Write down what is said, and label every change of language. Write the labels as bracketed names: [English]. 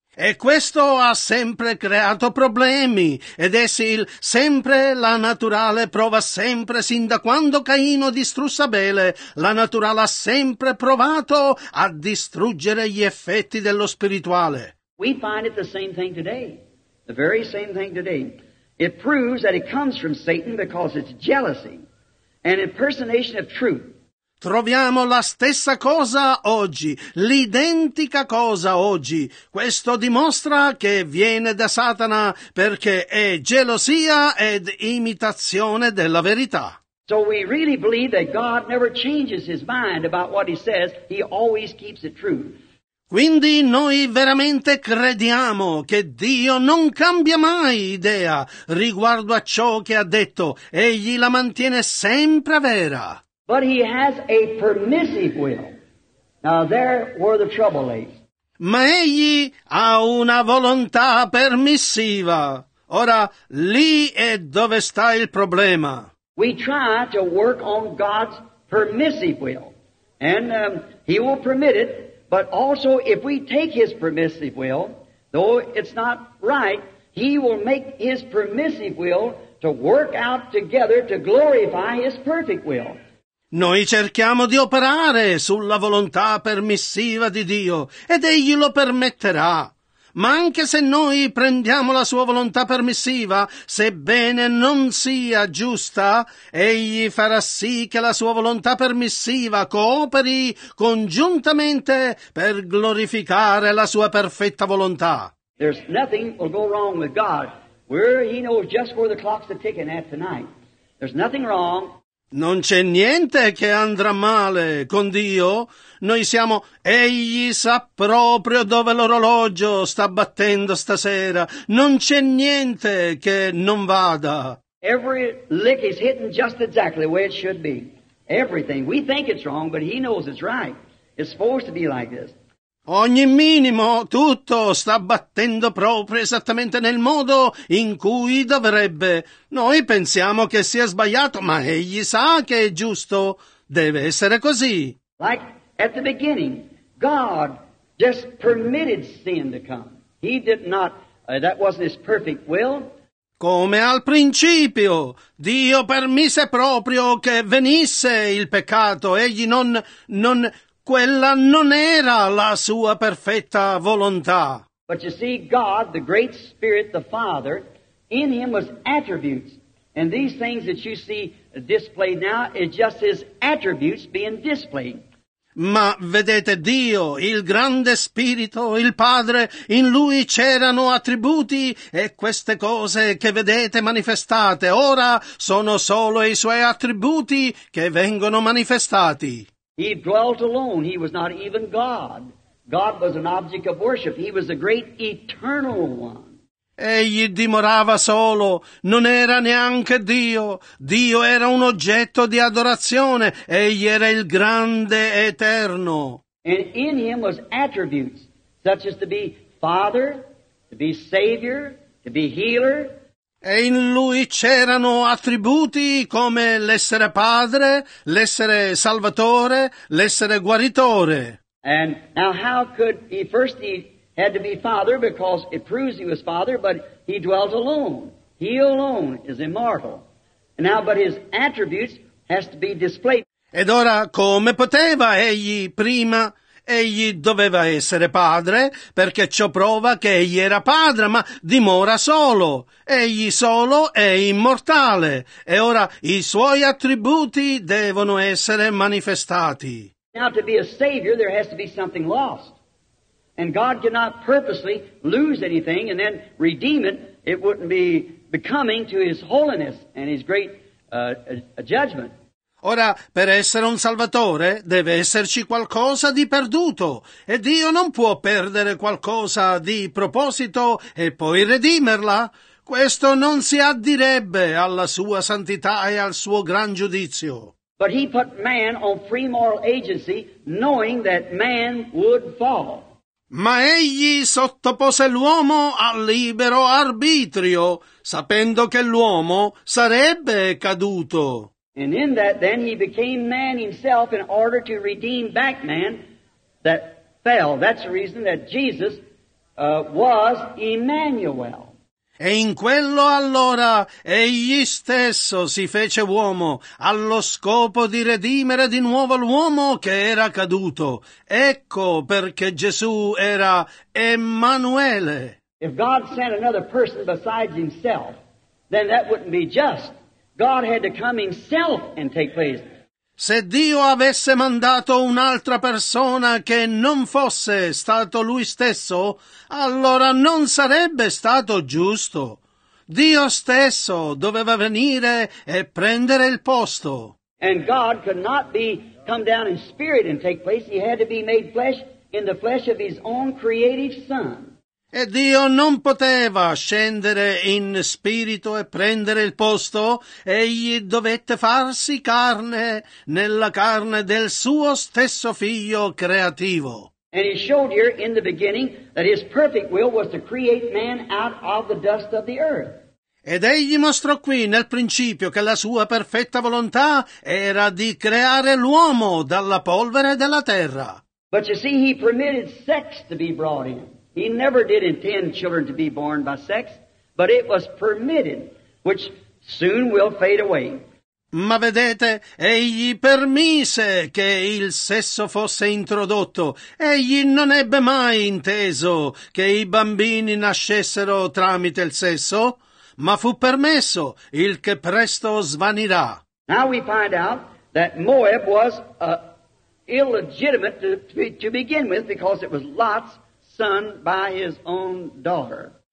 [Italian] E questo ha sempre creato problemi, ed è sempre la naturale prova sempre, sin da quando Caino distrusse Abele, la naturale ha sempre provato a distruggere gli effetti dello spirituale. [English] We find it the same thing today, the very same thing today. It proves that it comes from Satan because it's jealousy and impersonation of truth. [Italian] Troviamo la stessa cosa oggi, l'identica cosa oggi. Questo dimostra che viene da Satana perché è gelosia ed imitazione della verità. [English] So we really believe that God never changes his mind about what he says, he always keeps it true. [Italian] Quindi noi veramente crediamo che Dio non cambia mai idea riguardo a ciò che ha detto, egli la mantiene sempre vera. [English] But he has a permissive will. Now there where the trouble lays. [Italian] Ma egli ha una volontà permissiva. Ora lì è dove sta il problema. [English] We try to work on God's permissive will. And he will permit it, but also if we take his permissive will, though it's not right, he will make his permissive will to work out together to glorify his perfect will. [Italian] Noi cerchiamo di operare sulla volontà permissiva di Dio, ed egli lo permetterà. Ma anche se noi prendiamo la sua volontà permissiva, sebbene non sia giusta, egli farà sì che la sua volontà permissiva cooperi congiuntamente per glorificare la sua perfetta volontà. [English] There's nothing will go wrong with God. Where he knows just where the clock's ticking at tonight. There's nothing wrong. [Italian] Non c'è niente che andrà male con Dio. Noi siamo, egli sa proprio dove l'orologio sta battendo stasera. Non c'è niente che non vada. [English] Every lick is hitting just exactly where it should be. Everything. We think it's wrong, but he knows it's right. It's supposed to be like this. [Italian] Ogni minimo, tutto sta battendo proprio esattamente nel modo in cui dovrebbe. Noi pensiamo che sia sbagliato, ma egli sa che è giusto. Deve essere così. [English] Like at the beginning, God just permitted sin to come. He did not, that wasn't his perfect will. [Italian] Come al principio, Dio permise proprio che venisse il peccato. Egli non quella non era la sua perfetta volontà. [English] But you see, God, the great spirit, the Father, in him was attributes. And these things that you see displayed now is just his attributes being displayed. [Italian] Ma vedete, Dio, il grande spirito, il Padre, in lui c'erano attributi e queste cose che vedete manifestate ora sono solo i suoi attributi che vengono manifestati. [English] He dwelt alone. He was not even God. God was an object of worship. He was a great eternal one. [Italian] Egli dimorava solo. Non era neanche Dio. Dio era un oggetto di adorazione. Egli era il grande eterno. [English] And in him was attributes such as to be Father, to be Savior, to be Healer. [Italian] E in lui c'erano attributi come l'essere padre, l'essere salvatore, l'essere guaritore. [English] And now how could he, first he had to be father because it proves he was father, but he dwelt alone. He alone is immortal. And now, but his attributes has to be displayed. [Italian] Ed ora come poteva egli prima? Egli doveva essere padre, perché ciò prova che egli era padre, ma dimora solo. Egli solo è immortale, e ora i suoi attributi devono essere manifestati. [English] Now to be a savior, there has to be something lost. And God cannot purposely lose anything and then redeem it. It wouldn't be becoming to his holiness and his great judgment. [Italian] Ora, per essere un salvatore, deve esserci qualcosa di perduto, e Dio non può perdere qualcosa di proposito e poi redimerla. Questo non si addirebbe alla sua santità e al suo gran giudizio. [English] But he put man on free moral agency, knowing that man would fall. [Italian] Ma egli sottopose l'uomo al libero arbitrio, sapendo che l'uomo sarebbe caduto. [English] And in that, then, he became man himself in order to redeem back man that fell. That's the reason that Jesus was Emmanuel. [Italian] E in quello allora egli stesso si fece uomo allo scopo di redimere di nuovo l'uomo che era caduto. Ecco perché Gesù era Emmanuele. [English] If God sent another person besides himself, then that wouldn't be just. God had to come himself and take place. [Italian] Se Dio avesse mandato un'altra persona che non fosse stato Lui stesso, allora non sarebbe stato giusto. Dio stesso doveva venire e prendere il posto. [English] And God could not be come down in spirit and take place. He had to be made flesh in the flesh of His own creative Son. [Italian] E Dio non poteva scendere in spirito e prendere il posto, egli dovette farsi carne nella carne del suo stesso figlio creativo. [English] And he showed here in the beginning that his perfect will was to create man out of the dust of the earth. [Italian] Ed egli mostrò qui nel principio che la sua perfetta volontà era di creare l'uomo dalla polvere della terra. [English] But you see, he permitted sex to be brought in. He never did intend children to be born by sex, but it was permitted, which soon will fade away. [Italian] Ma vedete, egli permise che il sesso fosse introdotto. Egli non ebbe mai inteso che i bambini nascessero tramite il sesso, ma fu permesso, il che presto svanirà. [English] Now we find out that Moab was illegitimate to begin with because it was Lot's son by his own daughter.